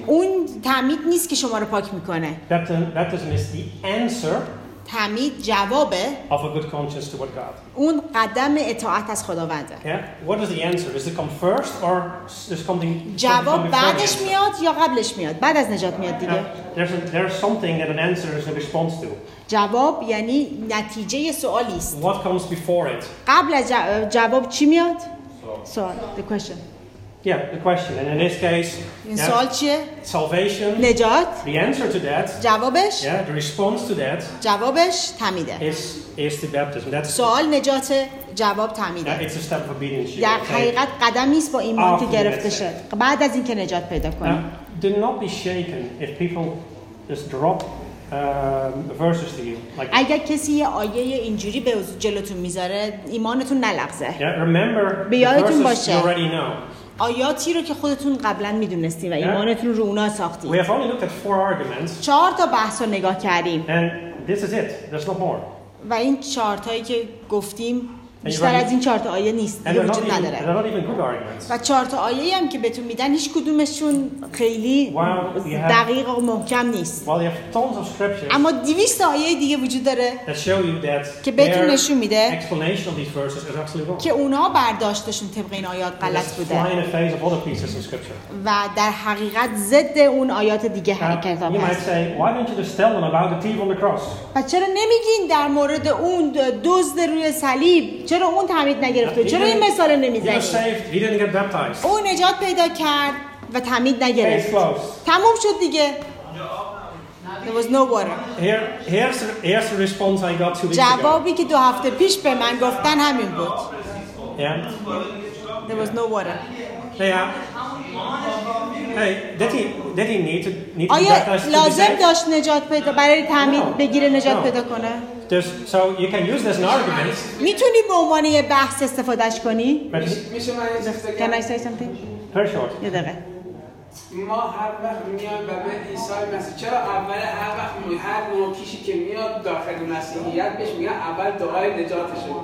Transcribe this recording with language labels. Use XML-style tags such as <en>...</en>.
<fa>اون تعمید نیست که شما رو پاک میکنه.</fa> <en>Baptism is the answer.</en> <fa>تعمید جوابه.</fa> <en>Of a good conscience toward God.</en> <fa>اون قدم اطاعت از خداونده.</fa> <en>Yeah. What is the answer? Does it come first or is something?</en> <fa>جواب بعدش میاد یا قبلش میاد؟ بعد از نجات میاد دیگه.</fa> <en>There's something that an answer is a response to.</en> <fa>جواب یعنی نتیجه سوالی است.</fa> <en>What comes before it?</en> <fa>قبل از جواب چی میاد؟ سوال.</fa> <en>The question. Yeah, the question. And in this case,</en> <fa>سوال چیه؟</fa> <en>Salvation.</en> <fa>نجات.</fa> <en>The answer to that.</en> <fa>جوابش.</fa> <en>Yeah, the response to that.</en> <fa>جوابش تعمیده.</fa> <en>Is the baptism. That's</en> <fa>سوال نجات جواب تعمیده.</fa> <en>Yeah, it's a step of obedience.</en> <fa>در حقیقت قدمی است با ایمان که گرفته شد. بعد از اینکه نجات پیدا کنی.</fa> <en>Do not be shaken if people just drop verses to you. Like,</en> <fa>اگر کسی یه آیه اینجوری به جلوتون میذاره ایمانتون نلغزه.</fa> <en>Yeah, remember</en> <fa>بیایتون باشه.</fa> <en>You already know.</en> <fa>آیاتی رو که خودتون قبلا میدونستین و ایمانتون رو اونا ساختید.</fa> <en>We have only looked at four arguments.</en> <fa>چهار تا بحث رو نگاه کردیم.</fa> <en>And this is it. There's no more.</en> <fa>و این چهار تایی که گفتیم بیشتر از این چهار تا آیه نیست. دیگه وجود نداره.</fa> <en>They're not even good arguments.</en> <fa>و چهار تا آیه هم که بهتون میدن هیچ کدومشون خیلی دقیق و محکم نیست.</fa> <en>While you have tons of scriptures.</en> <fa>اما 200 آیه دیگه وجود داره.</fa> <en>That show you that.</en> <fa>که بهتون نشون میده.</fa> <en>Explanation of these verses is actually wrong.</en> <fa>که اونا برداشتشون طبق این آیات غلط بوده.</fa> <en>Flying in the face of other pieces of scripture.</en> <fa>و در حقیقت ضد اون آیات دیگه حرکت کرده.</fa> <en>You might say, why don't you just tell them about the thief on the cross?</en> <fa>و چرا نمیگین در مورد اون دزد روی صلیب؟ چرا اون تعمید نگرفته؟ چرا این مثال رو نمیزنی؟ اون نجات پیدا کرد و تعمید نگرفت. تموم شد دیگه.</fa> <en>There was no water. Here's the response I got to this.</en> <fa>جوابی که دو هفته پیش به من گفتن همین بود.</fa> <en>Yeah. There was no water. Yeah. Hey, did he need to</en> <fa>آیا لازم داشت نجات پیدا برای تعمید بگیره نجات پیدا کنه؟</fa> <en>So you can use this as an argument.</en> <fa>میتونی به عنوان یه بحث استفادهش کنی؟ میشه من یه چیزی بگم؟</fa> <en>Can I say something? Very short.</en> <fa>یه دقیقه. ما هر وقت میایم به عیسی مسیح چرا اول هر وقت میایم هر موکیشی که میاد داخل مسیحیت بهش میگن اول دعای نجاتش</fa>